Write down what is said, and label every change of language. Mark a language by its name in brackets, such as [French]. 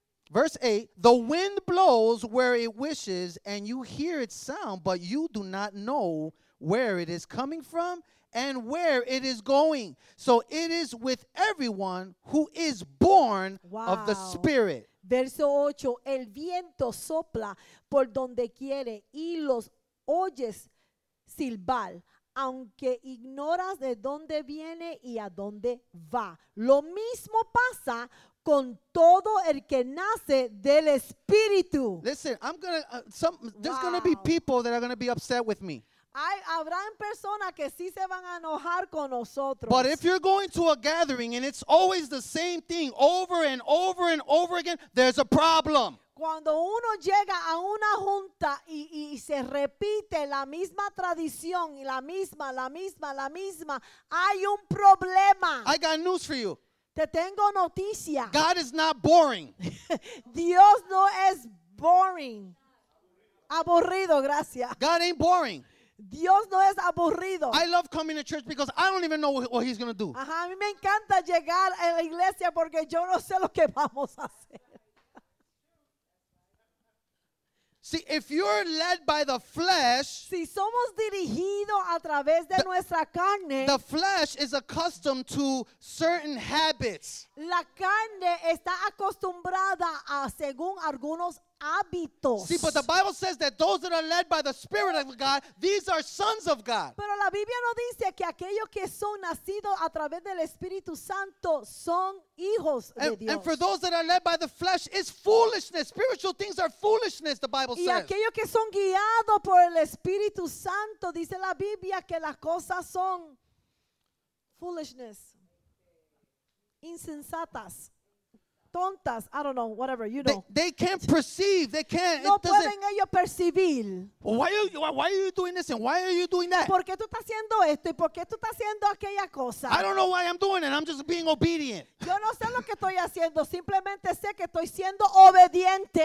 [English] Verse 8, the wind blows where it wishes, and you hear its sound, but you do not know where it is coming from and where it is going. So it is with everyone who is born wow. of the Spirit. [Spanish] Verso 8, el viento sopla por donde quiere y los oyes silbar, aunque ignoras de dónde viene y a dónde va. Lo mismo pasa con todo el que nace del espíritu. [English] Listen, I'm gonna there's wow. gonna be people that are gonna be upset with me. [Spanish] Habrán personas que sí se van a enojar con nosotros. [English] But if you're going to a gathering and it's always the same thing over and over and over again, there's a problem. [Spanish] Cuando uno llega a una junta y se repite la misma tradición y la misma, hay un problema. [English] I got news for you. [Spanish] Te tengo noticia. [English] God is not boring. [Spanish] Dios no es boring. Aburrido, gracias. [English] God ain't boring. [Spanish] Dios no es aburrido. [English] I love coming to church because I don't even know what he's going to do. [Spanish] Ajá, a mí me encanta llegar a la iglesia porque yo no sé lo que vamos a hacer. [English] See, if you're led by the flesh, [Spanish] si somos dirigidos a través de nuestra carne, [English] the flesh is accustomed to certain habits. [Spanish] La carne está acostumbrada a según algunos hábitos. [English] See, but the Bible says that those that are led by the Spirit of God, these are sons of God. [Spanish] Pero la Biblia no dice que aquellos que son nacidos a través del Espíritu Santo son hijos de Dios. [English] And for those that are led by the flesh, it's foolishness. Spiritual things are foolishness, the Bible says. [Spanish] Y aquellos que son guiados por el Espíritu Santo, dice la Biblia que las cosas son foolishness, insensatas. [English] Tontas, I don't know, whatever, you know. They can't perceive, they can't. [Spanish] No pueden ellos percibir. [English] Why are you doing this and why are you doing that? [Spanish] ¿Por qué tú estás haciendo esto y por qué tú estás haciendo aquella cosa? [English] I don't know why I'm doing it, I'm just being obedient. [Spanish] Yo no sé lo que estoy haciendo, simplemente sé que estoy siendo obediente.